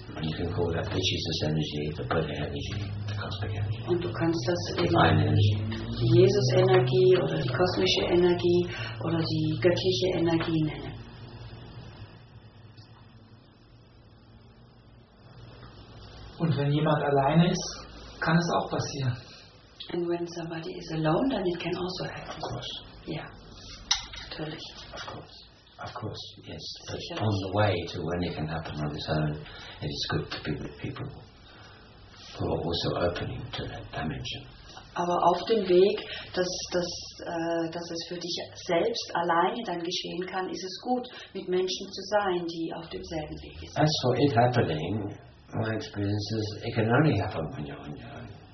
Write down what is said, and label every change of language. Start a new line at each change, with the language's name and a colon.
English: And you can call that the Jesus energy, the body energy, the cosmic energy.
German: Und du kannst das eben die Jesus-Energie oder die kosmische Energie oder die göttliche Energie nennen. Und wenn jemand alleine ist, kann es auch passieren.
English: And when somebody is alone, then it can also happen. Of course.
German: Yeah, natürlich.
English: Of course, yes. But on the way to when it can happen on its own, it is good to be with people who are also opening to that dimension.
German: Aber auf dem Weg, dass es für dich selbst alleine dann geschehen kann, ist es gut, mit Menschen zu sein, die auf demselben Weg sind.
English: As for it happening, my experience is it can only happen when you're on your own.